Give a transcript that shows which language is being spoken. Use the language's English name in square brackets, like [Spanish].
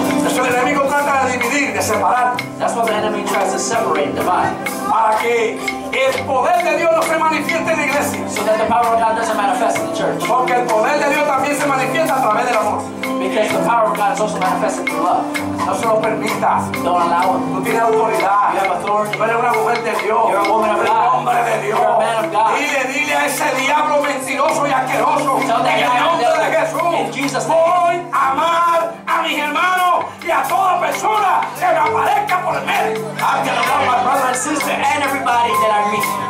[Spanish] Eso el enemigo trata de dividir, de separar. [English] That's what the enemy tries to separate, divide. [Spanish] Para que el poder de Dios no se manifieste en la iglesia. [English] So that the power of God doesn't manifest in the church. [Spanish] Porque el poder de Dios también se manifiesta a través del amor. [English] Because the power of God is also manifested through love. [Spanish] No se lo permitas. [English] Don't allow it. [Spanish] Tú tienes autoridad. [English] You have authority. [Spanish] Tú eres una mujer de Dios. [English] You're a woman of God. [Spanish] Eres hombre de Dios. [English] You're a man of God. [Spanish] Dile a ese diablo mentiroso y asqueroso. [English] Tell that [Spanish] en el nombre de Jesús. [English] In Jesus' name. [Spanish] Voy a amar a mis hermanos y a toda persona que me aparezca por el medio. [English] I'm going to love my brother and sister and everybody that I meet.